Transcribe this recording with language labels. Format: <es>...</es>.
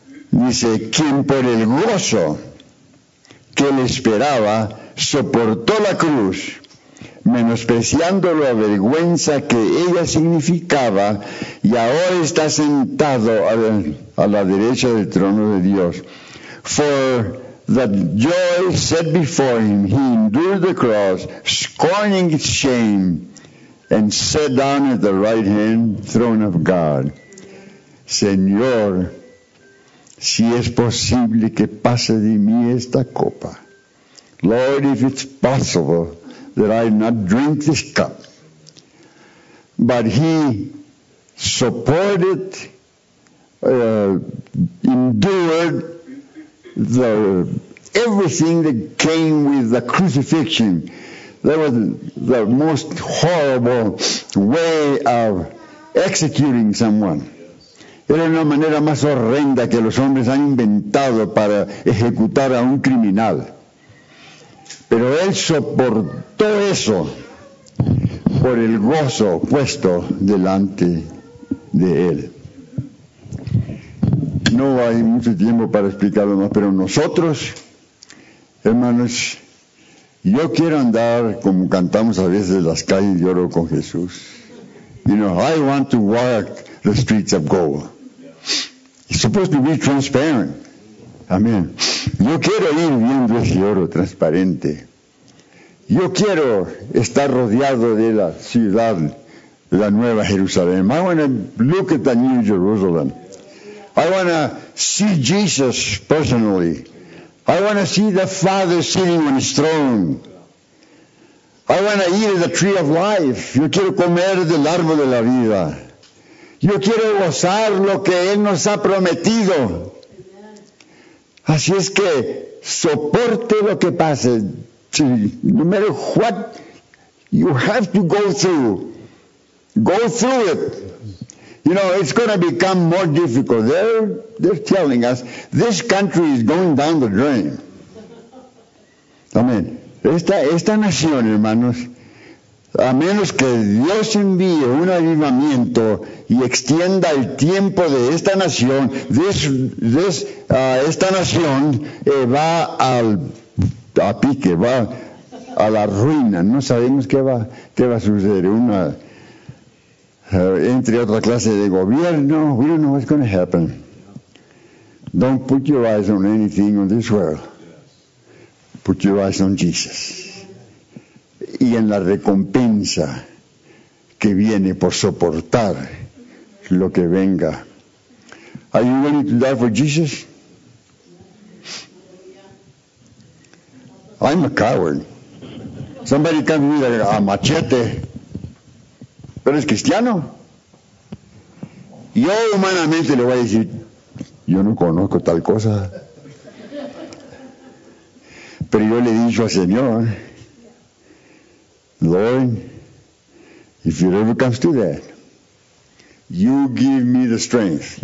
<es>Dice, quien por el gozo que le esperaba, soportó la cruz, menospreciando la vergüenza que ella significaba, y ahora está sentado a la derecha del trono de Dios.</es> <en>For the joy set before him, he endured the cross, scorning its shame, and sat down at the right hand throne of God.</en> <es>Señor, si es posible que pase de mí esta copa.</es> <en>Lord, if it's possible that I not drink this cup. But he supported, endured the everything that came with the crucifixion. That was the most horrible way of executing someone.</en> <es>Era una manera más horrenda que los hombres han inventado para ejecutar a un criminal. Pero él soportó eso por el gozo puesto delante de él. No hay mucho tiempo para explicarlo más, pero nosotros, hermanos, yo quiero andar como cantamos a veces las calles de oro con Jesús.</es> <en>You know, I want to walk the streets of gold. It's supposed to be transparent.</en> <es>Amén. Yo quiero ir viendo ese oro transparente. Yo quiero estar rodeado de la ciudad, de la Nueva Jerusalén.</es> <en>I want to look at the New Jerusalem. I want to see Jesus personally. I want to see the Father sitting on his throne. I want to eat the tree of life.</en> <es>Yo quiero comer del árbol de la vida. Yo quiero gozar lo que Él nos ha prometido. Así es que soporte lo que pase.</es> <en>No matter what you have to go through, go through it. You know, it's going to become more difficult. They're telling us this country is going down the drain. Amen.</en> <es>Esta nación, hermanos, a menos que Dios envíe un avivamiento y extienda el tiempo de esta nación, esta nación va a pique, va a la ruina. No sabemos qué va a suceder. Entre otra clase de gobierno,</es> <en>we don't know what's going to happen. Don't put your eyes on anything in this world. Put your eyes on Jesus.</en> <es>Y en la recompensa que viene por soportar lo que venga.</es> <en>Are you willing to die for Jesus? I'm a coward. Somebody comes with a machete.</en> <es>Pero es cristiano. Yo humanamente le voy a decir, yo no conozco tal cosa. Pero yo le he dicho al Señor,</es> <en>Lord, if it ever comes to that, you give me the strength.</en>